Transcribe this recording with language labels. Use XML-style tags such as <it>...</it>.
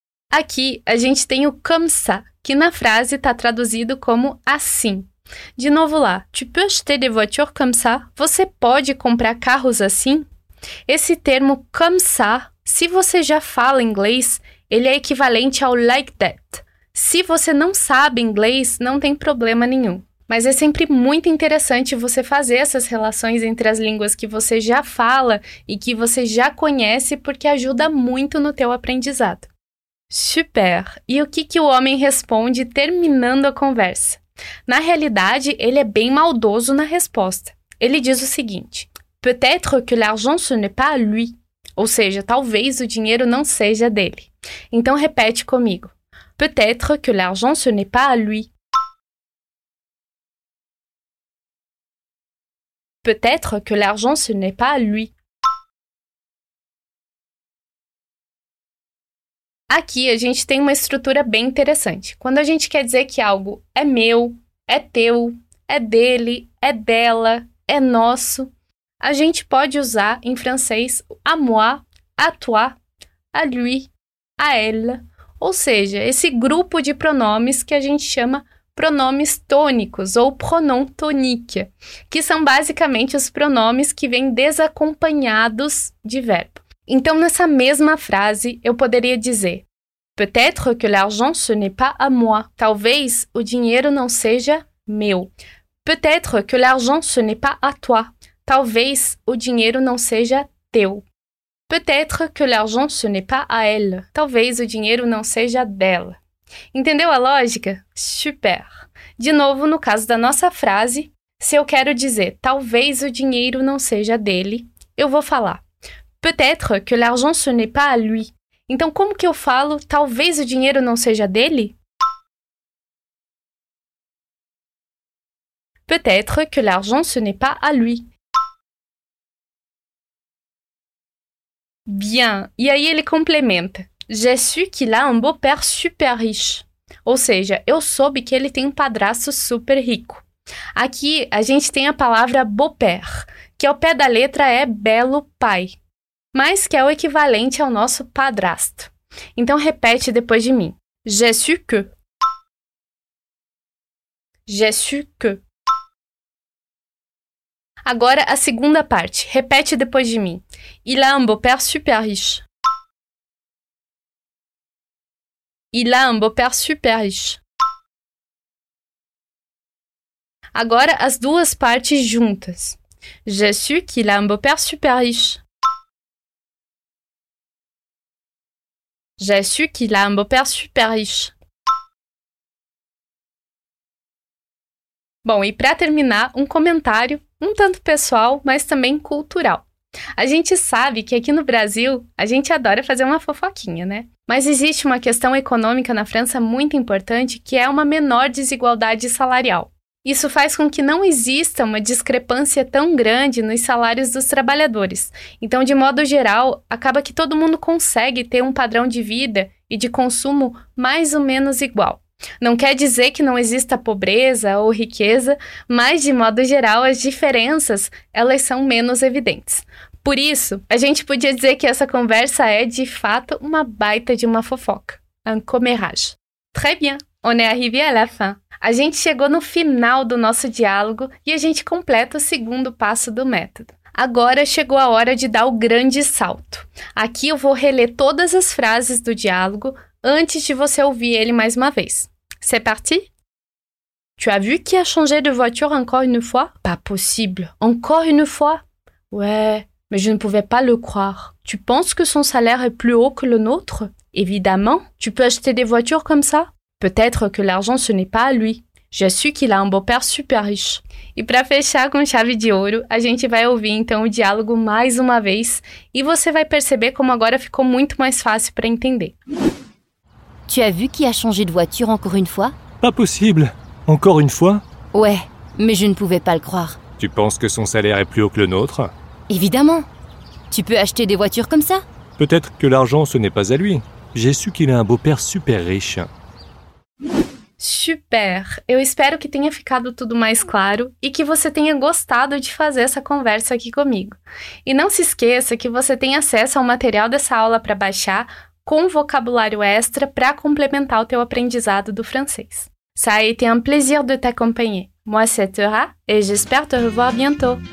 <pt>Aqui a gente tem o</pt> <fr>comme ça,</fr> <pt>que na frase está traduzido como assim. De novo lá,</pt> <fr>tu peux acheter des voitures comme ça?</fr> <pt>Você pode comprar carros assim? Esse termo</pt> <fr>comme ça,</fr> <pt>se você já fala inglês, ele é equivalente ao</pt> <en>like that.</en> <pt>Se você não sabe inglês, não tem problema nenhum. Mas é sempre muito interessante você fazer essas relações entre as línguas que você já fala e que você já conhece, porque ajuda muito no teu aprendizado. Super! E o que, que o homem responde terminando a conversa? Na realidade, ele é bem maldoso na resposta. Ele diz o seguinte,</pt> <fr>peut-être que l'argent ce n'est pas à lui.</fr> <pt>Ou seja, talvez o dinheiro não seja dele. Então, repete comigo.</pt> <fr>Peut-être que l'argent ce n'est pas à lui. Peut-être que l'argent ce n'est pas à lui.</fr> <pt>Aqui a gente tem uma estrutura bem interessante. Quando a gente quer dizer que algo é meu, é teu, é dele, é dela, é nosso, a gente pode usar em francês</pt> <fr>à moi, à toi, à lui, à elle.</fr> <pt>Ou seja, esse grupo de pronomes que a gente chama pronomes tônicos ou</pt> <fr>pronom tonique,</fr> <pt>que são basicamente os pronomes que vêm desacompanhados de verbo. Então, nessa mesma frase, eu poderia dizer</pt> <fr>peut-être que l'argent ce n'est pas à moi.</fr> <pt>Talvez o dinheiro não seja meu.</pt> <fr>Peut-être que l'argent ce n'est pas à toi.</fr> <pt>Talvez o dinheiro não seja teu.</pt> <fr>Peut-être que l'argent ce n'est pas à elle.</fr> <pt>Talvez o dinheiro não seja dela. Entendeu a lógica? Super! De novo, no caso da nossa frase, se eu quero dizer talvez o dinheiro não seja dele, eu vou falar</pt> <fr>peut-être que l'argent ce n'est pas à lui.</fr> <pt>Então, como que eu falo talvez o dinheiro não seja dele?</pt> <fr>Peut-être que l'argent ce n'est pas à lui. Bien.</fr> <pt>E aí ele complementa.</pt> <fr>J'ai su qu'il a un beau-père super riche.</fr> <pt>Ou seja, eu soube que ele tem um padrasto super rico. Aqui a gente tem a palavra beau-père, que ao pé da letra é belo pai, mas que é o equivalente ao nosso padrasto. Então, repete depois de mim.</pt> <fr>J'ai su que. J'ai su que.</fr> <pt>Agora, a segunda parte. Repete depois de mim.</pt> <fr>Il a un beau-père super riche. Il a un beau-père super riche.</fr> <pt>Agora, as duas partes juntas.</pt> <fr>J'ai su qu'il a un beau-père super riche. J'ai su qu'il a un beau-père super riche.</fr> <pt>Bom, e para terminar, um comentário um tanto pessoal, mas também cultural. A gente sabe que aqui no Brasil, a gente adora fazer uma fofoquinha, né? Mas existe uma questão econômica na França muito importante, que é uma menor desigualdade salarial. Isso faz com que não exista uma discrepância tão grande nos salários dos trabalhadores. Então, de modo geral, acaba que todo mundo consegue ter um padrão de vida e de consumo mais ou menos igual. Não quer dizer que não exista pobreza ou riqueza, mas, de modo geral, as diferenças, elas são menos evidentes. Por isso, a gente podia dizer que essa conversa é, de fato, uma baita de uma fofoca.</pt> <fr>Un commérage. Très bien, on est arrivé à la fin.</fr> <pt>A gente chegou no final do nosso diálogo e a gente completa o segundo passo do método. Agora chegou a hora de dar o grande salto. Aqui eu vou reler todas as frases do diálogo antes de você ouvir ele mais uma vez.</pt> <fr>C'est parti? Tu as vu qu'il a changé de voiture encore une fois? Pas possible. Encore une fois? Ouais, mais je ne pouvais pas le croire. Tu penses que son salaire est plus haut que le nôtre? Évidemment. Tu peux acheter des voitures comme ça? Peut-être que l'argent, ce n'est pas à lui. J'ai su qu'il a un beau-père super riche.</fr> <pt>E para fechar com chave de ouro, a gente vai ouvir então o diálogo mais uma vez e você vai perceber como agora ficou muito mais fácil para entender.</pt> <fr>Tu as vu qui a changé de voiture encore une fois? Pas possible. Encore une fois? Ouais, mais je ne pouvais pas le croire. Tu penses que son salaire est plus haut que le nôtre? Évidemment. Tu peux acheter des voitures comme ça? Peut-être que l'argent, ce n'est pas à lui. J'ai su qu'il a un beau-père super riche.</fr> <pt>Super! Eu espero que tenha ficado tudo mais claro e que você tenha gostado de fazer essa conversa aqui comigo. E não se esqueça que você tem acesso ao material dessa aula para baixar com vocabulário extra para complementar o teu aprendizado do francês.</pt> <fr>Ça a été un plaisir de t'accompagner. Moi c'est Théra et j'espère te revoir bientôt.</fr>